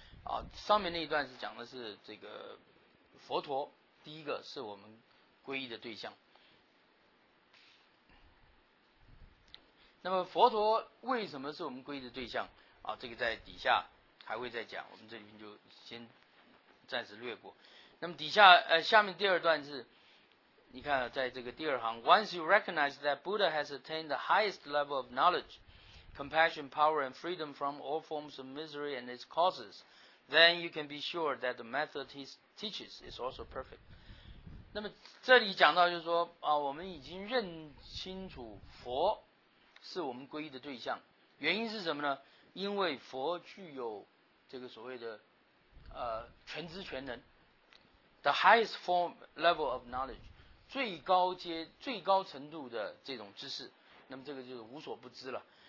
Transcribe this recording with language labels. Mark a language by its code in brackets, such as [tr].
[zh] 啊，上面那一段是讲的是这个佛陀，第一个是我们皈依的对象。那么佛陀为什么是我们皈依的对象啊？这个在底下还会再讲，我们这里就先暂时略过。那么底下下面第二段是，你看在这个第二行 [en] ，Once you recognize that Buddha has attained the highest level of knowledge, compassion, power, and freedom from all forms of misery and its causes, then you can be sure that the method he teaches is also perfect。 [zh] 那么这里讲到就是说啊，我们已经认清楚佛是我们皈依的对象，原因是什么呢？因为佛具有这个所谓的全知全能 [en] the highest form level of knowledge， [zh] 最高阶最高程度的这种知识，那么这个就是无所不知了。